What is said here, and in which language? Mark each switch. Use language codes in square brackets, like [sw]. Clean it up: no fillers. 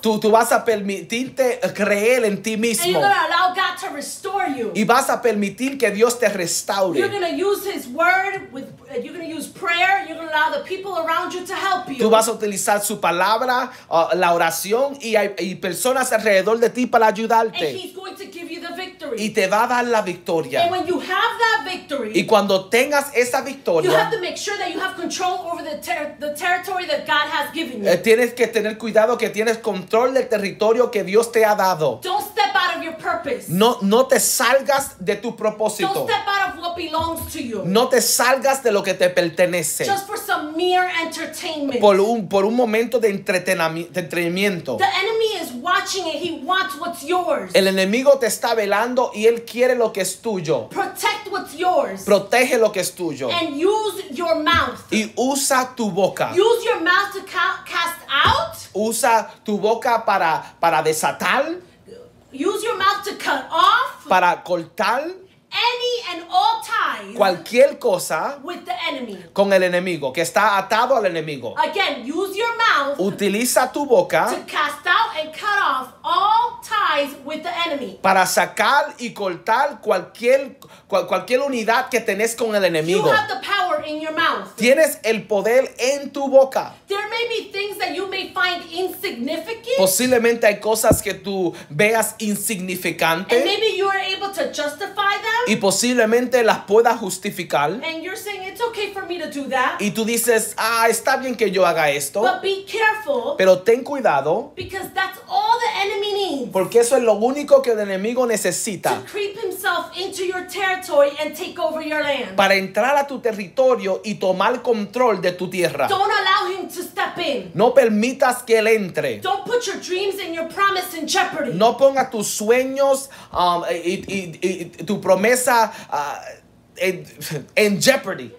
[es] Tú vas a permitirte creer en ti mismo. [en] And you're gonna allow God to restore you. [es] Y vas a permitir que Dios te restaure. [en] You're gonna use his word with you're gonna use prayer. You're gonna allow the people around you to help you. [es] Tú vas a utilizar su palabra, la oración y personas alrededor de ti para ayudarte. [en] And he's going to give you the victory. [es] Y te va a dar la victoria. [en] And when you have that victory. [es] Y cuando tengas esa victoria. [en] You have to make sure that you have control over the territory that God has given you. [es] Tienes que tener cuidado que tienes control del territorio que Dios te ha dado. [en] Don't step out of your purpose. [es] No te salgas de tu propósito. [en] Don't step out of what belongs to you. [es] No te salgas de lo que te pertenece. [en] Just for some mere entertainment. [es] Por un momento de entretenimiento. [en] The enemy is watching it. He wants what's yours. [es] El enemigo te está velando y él quiere lo que es tuyo. [en] Protect what's yours. [es] Protege lo que es tuyo. [en] And use your mouth. [es] Y usa tu boca. [en] Use your mouth to cast out. [es] Usa tu boca para desatar. [en] Use your mouth to cut off. [es] Para cortar. [en] Any and all ties. [es] Cualquier cosa. [en] With the enemy. [es] Con el enemigo. Que está atado al enemigo. [en] Again, use your mouth. [es] Utiliza tu boca. [en] To cast out and cut off all ties with the enemy. [es] Para sacar y cortar cualquier unidad que tenés con el enemigo. [en] You have the power in your mouth. [es] Tienes el poder en tu boca. [en] There may be things that you may find insignificant. [es] Posiblemente hay cosas que tú veas insignificantes. [en] And maybe you are able to justify them. [es] Y posiblemente las pueda justificar. [en] And you're saying, it's okay for me to do that. [es] Y tú dices, está bien que yo haga esto. [en] But be careful. [es] Pero ten cuidado. [en] Because that's all the enemy needs. [es] Porque eso es lo único que el enemigo necesita. [en] To creep himself into your territory and take over your land. [es] Para entrar a tu territorio y tomar control de tu tierra. [en] Don't allow him to step in. [es] No permitas que él entre. [en] Don't put your dreams and your promise in jeopardy. [es] No ponga tus sueños y tu promesa en jeopardy.